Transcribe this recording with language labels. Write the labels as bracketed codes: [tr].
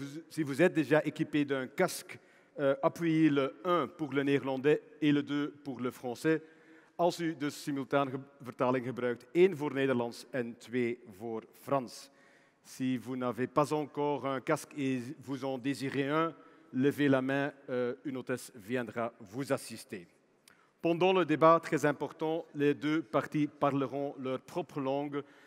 [fr] Si vous êtes déjà équipé d'un casque, appuyez le 1 pour le néerlandais et le 2 pour le français. [nl] Als u de simultane vertaling gebruikt, 1 voor Nederlands en 2 voor Frans. [fr] Si vous n'avez pas encore un casque et vous en désirez un, levez la main, une hôtesse viendra vous assister. Pendant le débat, très important, les deux parties parleront leur propre langue.